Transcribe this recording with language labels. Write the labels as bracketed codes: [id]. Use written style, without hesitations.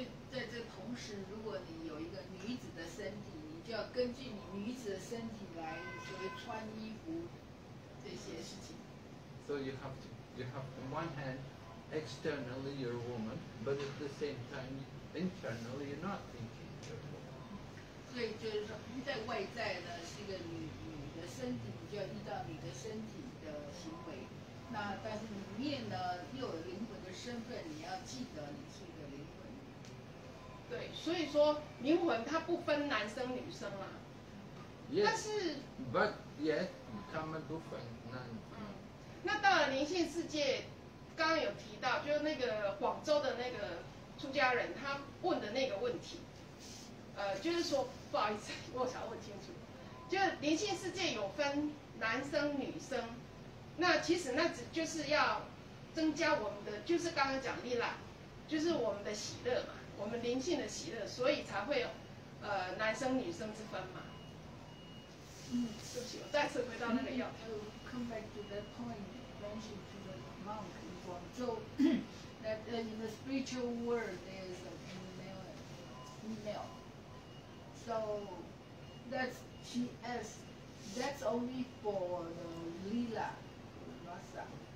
[zh] 在这同时，如果你有一个女子的身体，你就要根据你女子的身体来所谓穿衣服这些事情。 [en] So you have on one hand, externally you're a woman, but at the same time, internally you're not thinking. [zh] 所以就是说，在外在呢是一个女的身体，你就要依照你的身体的行为。那但是里面呢又有灵魂的身份，你要记得你是一个灵魂。对，所以说灵魂它不分男生女生啊。 [en] Yes, [zh] 但是， [en] But yes, [zh] 他们不分男。那到了灵性世界，刚刚有提到，就是那个广州的那个出家人他问的那个问题。就是说，不好意思，我想问清楚，就是灵性世界有分男生女生，那其实那只就是要增加我们的，就是刚刚讲丽拉，就是我们的喜乐嘛，我们灵性的喜乐，所以才会有男生女生之分嘛。嗯，对不起，我再次回到那个药。 [en] Come back to that point, mention to the monk in Guangzhou that in the spiritual world there is a female. So that's, she asked, that's only for the Lila, Rasa.